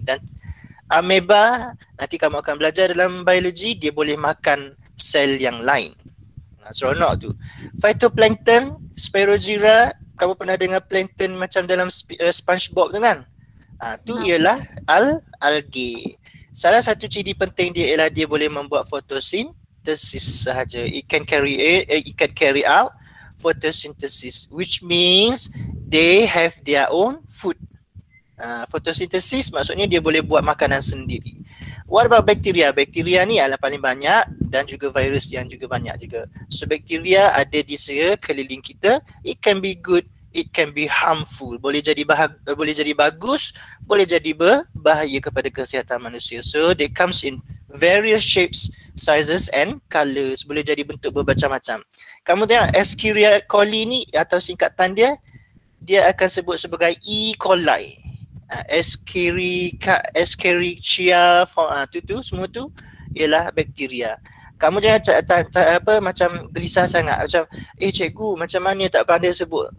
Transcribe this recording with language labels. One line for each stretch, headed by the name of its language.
Malay: Dan amoeba, nanti kamu akan belajar dalam biologi, dia boleh makan sel yang lain. Seronok tu. Phytoplankton, sporozoa, kamu pernah dengar plankton macam dalam SpongeBob tu kan? Tu ialah algae. Salah satu ciri penting dia ialah dia boleh membuat fotosintesis sahaja.
English: It can carry out photosynthesis, which means they have their own food.
Malay: Fotosintesis maksudnya dia boleh buat makanan sendiri.
English: What about bacteria?
Malay: Bacteria ni adalah paling banyak dan juga virus yang juga banyak juga. So bacteria ada di sekeliling kita.
English: It can be good, it can be harmful.
Malay: Boleh jadi boleh jadi bagus, boleh jadi berbahaya kepada kesihatan manusia.
English: So they comes in various shapes, sizes and colors.
Malay: Boleh jadi bentuk bermacam-macam. Kamu tengok Escherichia coli ni atau singkatan dia, dia akan sebut sebagai E. coli. Escherichia tu semua tu ialah bakteria. Kamu jangan macam gelisah sangat. Macam, cikgu macam mana tak pandai sebut.